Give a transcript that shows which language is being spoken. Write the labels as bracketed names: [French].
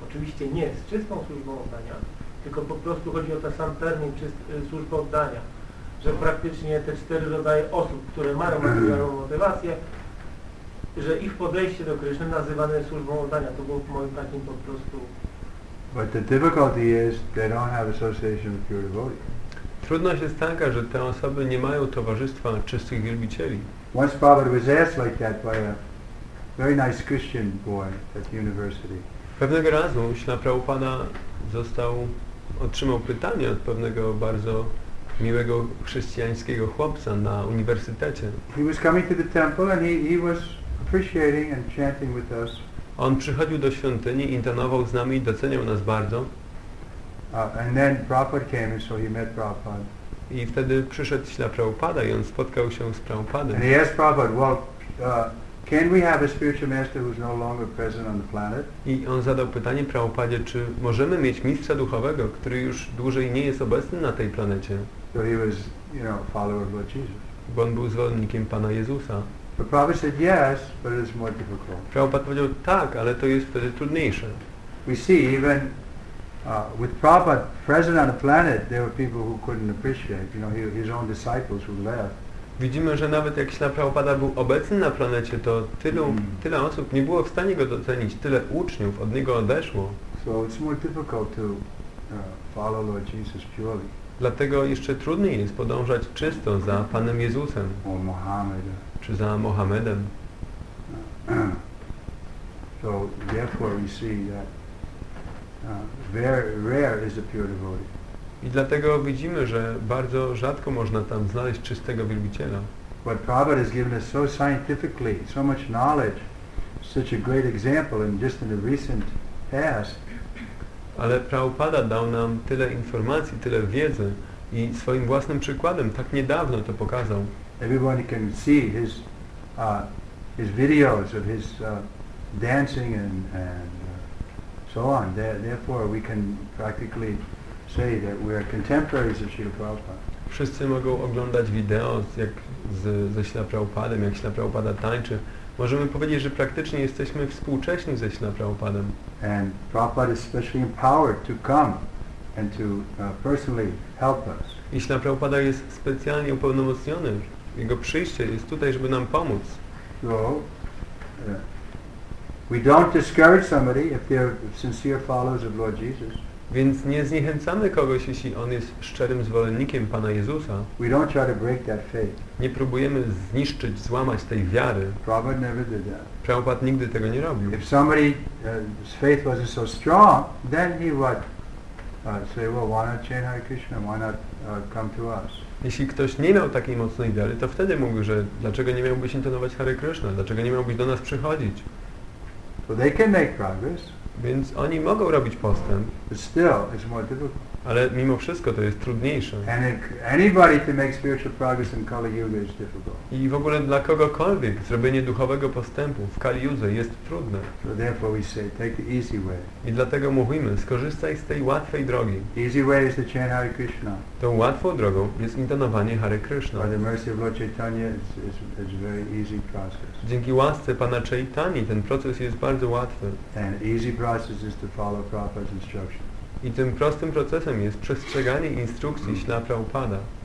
[Polish] Oczywiście nie z czystą służbą oddania, tylko po prostu chodzi o ten sam termin, służba oddania. Że praktycznie te cztery rodzaje osób, które mają materialną motywację, że ich podejście do Kryszny nazywane jest służbą oddania. To było w moim takim po prostu. [English] But the difficulty is they don't have association with pure devotees. [Polish] Trudność jest taka, że te osoby nie mają towarzystwa czystych wielbicieli. [English] Once Prabhupada was asked like that by a very nice Christian boy at the university. [Polish] Pewnego razu Śrila Prabhupada otrzymał pytanie od pewnego bardzo miłego chrześcijańskiego chłopca na uniwersytecie. [English] He was coming to the temple and he was appreciating and chanting with us. [Polish] On przychodził do świątyni, intonował z nami, doceniał nas bardzo. [English] And then Prabhupada came and so he met Prabhupada. [Polish] I wtedy przyszedł Śrila Prabhupada i on spotkał się z Prabhupadem. [English] And he asked Prabhupada, well, Can we have a spiritual master who is no longer present on the planet? [Polish] I on zadał pytanie Prabhupadzie, czy możemy mieć mistrza duchowego, który już dłużej nie jest obecny na tej planecie? [English] So he was, you know, follower of Lord Jesus. [Polish] Bo on był zwolennikiem Pana Jezusa. [English] But Prabhupada said yes, but it is more difficult. [Polish] Prabhupada powiedział tak, ale to jest wtedy trudniejsze. [English] We see even with Prabhupada present on the planet, there were people who couldn't appreciate, you know, his own disciples who left. [Polish] Widzimy, że nawet jak Śla Prabhupada był obecny na planecie, to tylu, tyle osób nie było w stanie go docenić, tyle uczniów od niego odeszło. [English] So it's more difficult to follow Lord Jesus purely. [Polish] Dlatego jeszcze trudniej jest podążać czysto za Panem Jezusem, [English] or Mohammeda, [Polish] czy za Mohamedem. [English] So therefore we see that very rare is a pure devotee. [Polish] I dlatego widzimy, że bardzo rzadko można tam znaleźć czystego wielbiciela. [English] But Prabhupada has given us so scientifically, so much knowledge, such a great example, and just in the recent past. [Polish] Ale Prabhupada dał nam tyle informacji, tyle wiedzy i swoim własnym przykładem tak niedawno to pokazał. [English] Everyone can see his videos of his dancing and so on. Therefore, we can practically say that we are contemporaries of Śrīla Prabhupāda. [Polish] Wszyscy mogą oglądać wideo ze Śrīla Prabhupādem, jak Śrīla Prabhupāda tańczy. Możemy powiedzieć, że praktycznie jesteśmy współcześni ze Śrīla Prabhupādem. [English] And Prabhupāda is specially empowered to come and to personally help us. [Polish] I Śrīla Prabhupāda jest specjalnie upełnomocniony. Jego przyjście jest tutaj, żeby nam pomóc. [English] So, we don't discourage somebody if they're sincere followers of Lord Jesus. [Polish] Więc nie zniechęcamy kogoś, jeśli on jest szczerym zwolennikiem Pana Jezusa. [English] We don't try to break that faith. [Polish] Nie próbujemy zniszczyć, złamać tej wiary. [English] Prabhupada never did that. [Polish] Prabhupada nigdy tego nie robił. [English] If somebody's faith wasn't so strong, then he would say, well, why not chant Hare Krishna? Why not come to us? [Polish] Jeśli ktoś nie miał takiej mocnej wiary, to wtedy mówił, że dlaczego nie miałbyś intonować Hare Krishna? Dlaczego nie miałbyś do nas przychodzić? [English] So they can make progress. [Polish] Więc oni mogą robić postęp. [English] But still, it's more difficult. [Polish] Ale mimo wszystko to jest trudniejsze. [English] And anybody to make spiritual progress in Kali Yuga is difficult. [Polish] I w ogóle dla kogokolwiek zrobienie duchowego postępu w Kali Yuga jest trudne. [English] So therefore we say, take the easy way. [Polish] I dlatego mówimy, skorzystaj z tej łatwej drogi. [English] Easy way is to chant Hare Krishna. [Polish] Tą łatwą drogą jest intonowanie Hare Krishna. [English] By the mercy of Lord Chaitanya, it's a very easy process. [Polish] Dzięki łasce Pana Chaitanyi ten proces jest bardzo łatwy. [English] And easy process is to follow Prabhupada's instructions. [Polish] I tym prostym procesem jest przestrzeganie instrukcji Śrīla Prabhupāda.